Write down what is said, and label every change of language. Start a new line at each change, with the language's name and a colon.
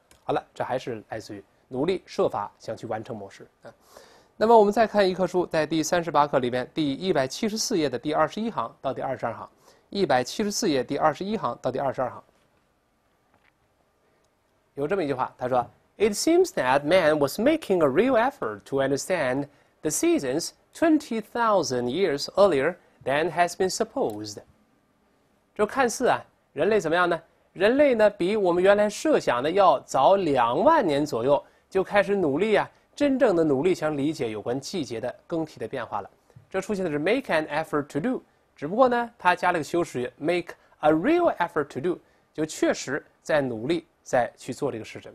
Chinese: 好了，这还是来自于努力设法想去完成某事。那么我们再看一课书，在第38课里边，第174页的第21行到第22行，174页第21行到第22行，有这么一句话，他说。
English: It seems that man was making a real effort to understand the seasons 20,000 years earlier than has been supposed.
Chinese: 就看似啊，人类怎么样呢？人类呢，比我们原来设想的要早2万年左右就开始努力啊，真正的努力想理解有关季节的更替的变化了。这出现的是
English: make an effort to do，
Chinese: 只不过呢，它加了个修饰语
English: make a real effort to do，
Chinese: 就确实在努力在去做这个事情。